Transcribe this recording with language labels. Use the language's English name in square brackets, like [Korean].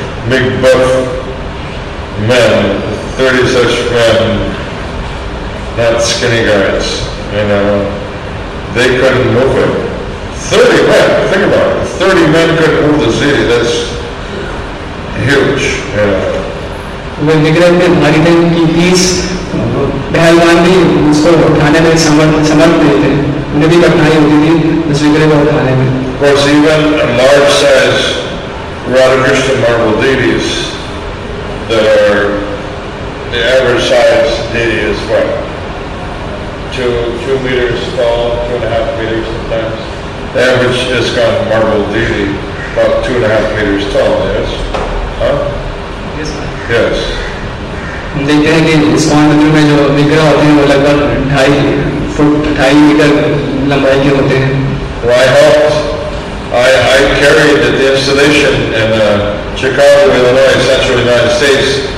[English] Big buff men, 30 such men, not skinny guys, you know, they couldn't move it. 30 men, think about it, 30 men couldn't move the city, that's huge, you know. [Hindi] वे निग्रह में भारी थे उनकी 30 पहलवान भी उसको उठाने में समर्थ नहीं थे उन्हें भी कठिनाई होती थी उस निग्रह को उठाने में [English] Of course, even a large size Radhakrishna marble deities that are the average size deity is what? 2 meters tall, 2.5 meters sometimes. The average ISKCON marble deity about 2.5 meters tall, yes? Huh? Yes, sir. Yes. [Hindi] देखते हैं कि इस मंदिर में जो विग्रह होते हैं वो लगभग 2.5 मीटर लंबाई के होते हैं। [English] Why helped? I carried at the installation in Chicago, Illinois, Central United States.